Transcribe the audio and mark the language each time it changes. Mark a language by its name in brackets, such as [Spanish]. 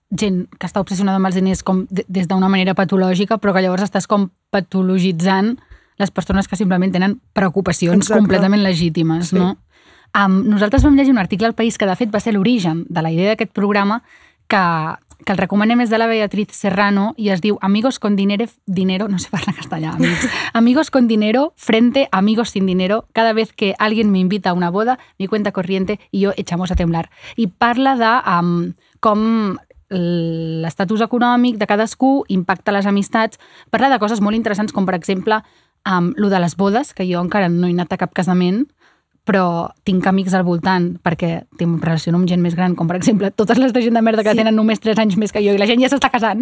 [Catalan] Gent que està obsessionada amb els diners com des d'una manera patològica, però que llavors estàs com patologitzant les persones que simplement tenen preocupacions completament legítimes, sí. No? Nosaltres vam llegir un article al País que, de fet, va ser l'origen de la idea d'aquest programa, que el recomanem, és de la Beatriz Serrano i es diu Amigos con dinero, no sé parlar castellà, amics. [Spanish] Amigos con dinero frente a amigos sin dinero. Cada vez que alguien me invita a una boda, mi cuenta corriente y yo echamos a temblar. [Catalan] I parla de com l'estatus econòmic de cadascú impacta les amistats. Parla de coses molt interessants com, per exemple, lo de les bodes, que jo encara no he anat a cap casament, però tinc amics al voltant perquè tinc relació amb gent més gran, com per exemple totes les de gent de merda que tenen només 3 anys més que jo i la gent ja s'està casant.